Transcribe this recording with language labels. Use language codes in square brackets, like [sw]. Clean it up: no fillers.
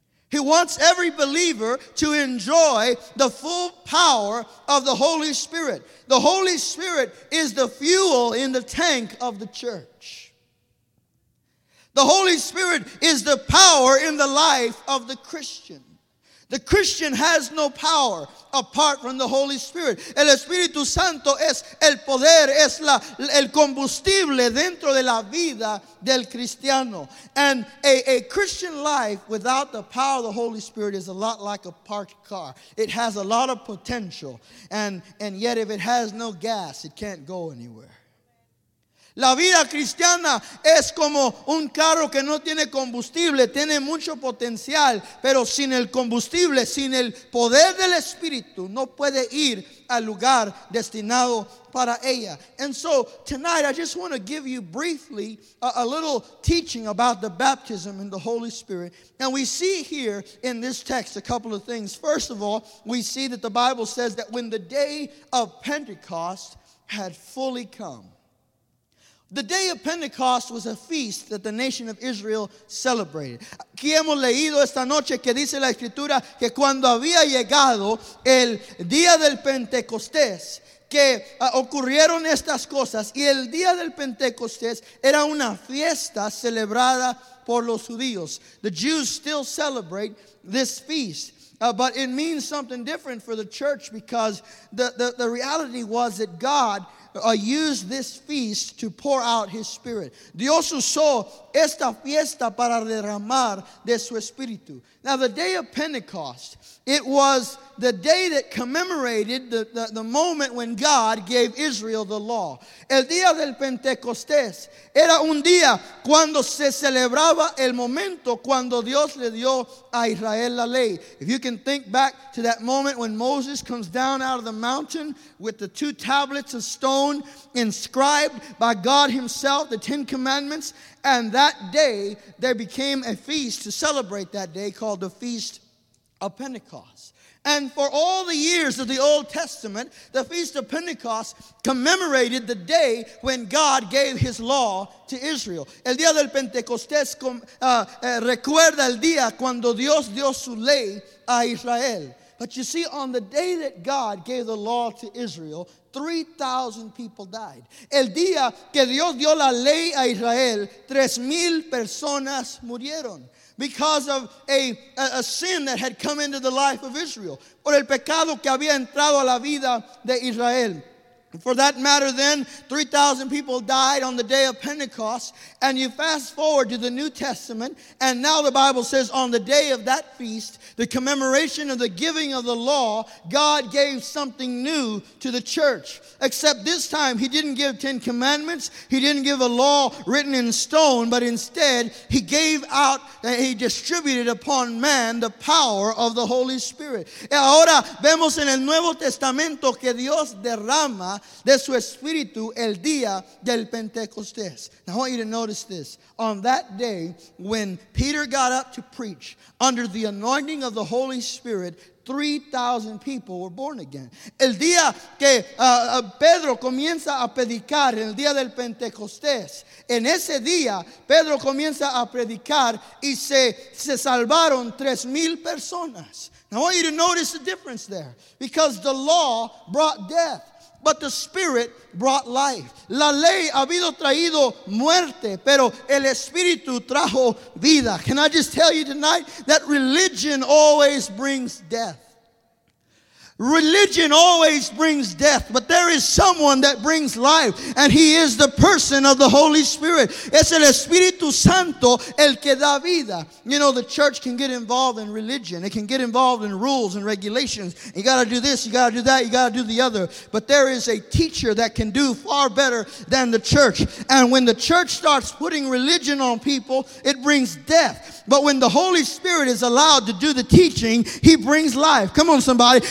[en] He wants every believer to enjoy the full power of the Holy Spirit. The Holy Spirit is the fuel in the tank of the church. The Holy Spirit is the power in the life of the Christian. The Christian has no power apart from the Holy Spirit. [es] El Espíritu Santo es el poder, es el combustible dentro de la vida del cristiano. [en] And a Christian life without the power of the Holy Spirit is a lot like a parked car. It has a lot of potential. And yet if it has no gas, it can't go anywhere. [es] La vida cristiana es como un carro que no tiene combustible, tiene mucho potencial, pero sin el combustible, sin el poder del Espíritu, no puede ir al lugar destinado para ella. [en] And so tonight I just want to give you briefly a little teaching about the baptism in the Holy Spirit. And we see here in this text a couple of things. First of all, we see that the Bible says that when the day of Pentecost had fully come, the day of Pentecost was a feast that the nation of Israel celebrated. [es] Aquí hemos leído esta noche que dice la Escritura que cuando había llegado el día del Pentecostés, que ocurrieron estas cosas. Y el día del Pentecostés era una fiesta celebrada por los judíos. [en] The Jews still celebrate this feast. But it means something different for the church, because the reality was that God use this feast to pour out His Spirit. [es] Dios usó esta fiesta para derramar de su Espíritu. [en] Now, the day of Pentecost, it was the day that commemorated the moment when God gave Israel the law. [es] El día del Pentecostés era un día cuando se celebraba el momento cuando Dios le dio a Israel la ley. [en] If you can think back to that moment when Moses comes down out of the mountain with the two tablets of stone inscribed by God Himself, the Ten Commandments, and that day there became a feast to celebrate that day called the Feast of Pentecost. And for all the years of the Old Testament, the Feast of Pentecost commemorated the day when God gave His law to Israel. [es] El día del Pentecostés recuerda el día cuando Dios dio su ley a Israel. [en] But you see, on the day that God gave the law to Israel, 3,000 people died. [es] El día que Dios dio la ley a Israel, 3,000 personas murieron. [en] Because of a sin that had come into the life of Israel. [es] Por el pecado que había entrado a la vida de Israel. [en] For that matter, then, 3,000 people died on the day of Pentecost. And you fast forward to the New Testament, and now the Bible says, on the day of that feast, the commemoration of the giving of the law, God gave something new to the church. Except this time, he didn't give 10 commandments. He didn't give a law written in stone, but instead, he gave out, and he distributed upon man the power of the Holy Spirit. [es] Y ahora vemos en el Nuevo Testamento que Dios derrama de su espíritu el día del Pentecostés. [en] Now I want you to notice this. On that day when Peter got up to preach under the anointing of the Holy Spirit, 3,000 people were born again. [es] El día que Pedro comienza a predicar, el día del Pentecostés, en ese día Pedro comienza a predicar y se salvaron 3,000 personas. [en] Now I want you to notice the difference there, because the law brought death, but the Spirit brought life. [es] La ley ha habido traído muerte, pero el Espíritu trajo vida. [en] Can I just tell you tonight that religion always brings death? Religion always brings death, but there is someone that brings life, and he is the person of the Holy Spirit. [es] Es el Espíritu Santo el que da vida. [en] You know, the church can get involved in religion. It can get involved in rules and regulations. You got to do this, you got to do that, you got to do the other. But there is a teacher that can do far better than the church. And when the church starts putting religion on people, it brings death. But when the Holy Spirit is allowed to do the teaching, he brings life. Come on, somebody.